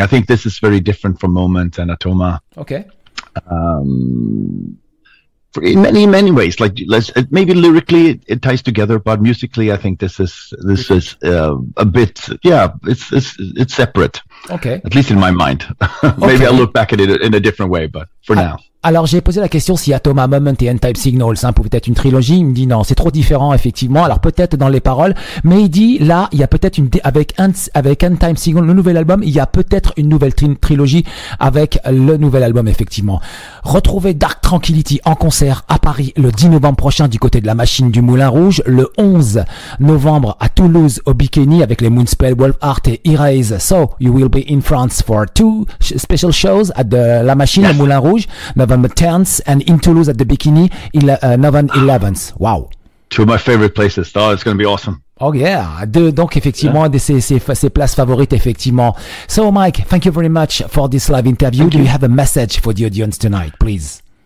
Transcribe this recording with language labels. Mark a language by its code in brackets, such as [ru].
[en] I think this is very different from Moment and Atoma. Okay. In many, many ways, like maybe lyrically it ties together, but musically I think this is a bit, yeah, it's separate. Okay. At least in my mind. Maybe I'll look back at it in a different way, but for now. [fr] Alors j'ai posé la question si Atoma, Moment et End Time Signals hein, pouvait être une trilogie. Il me dit non, c'est trop différent effectivement. Alors peut-être dans les paroles, mais il dit là il y a peut-être avec End Time Signals, le nouvel album, il y a peut-être une nouvelle trilogie avec le nouvel album effectivement. Retrouvez Dark Tranquility en concert à Paris le 10 novembre prochain du côté de la Machine du Moulin Rouge, le 11 novembre à Toulouse au Bikini avec les Moonspell, Wolfheart et Erase. [en] So you will be in France for two special shows at the La Machine, yes, le Moulin Rouge. November 10th and in Toulouse at the Bikini, November 11th. Wow. Two of my favorite places. Oh, it's going to be awesome. Oh yeah. [fr] Donc effectivement, ces places favorites effectivement. [en] So Mike, thank you very much for this live interview. Do you have a message for the audience tonight, please?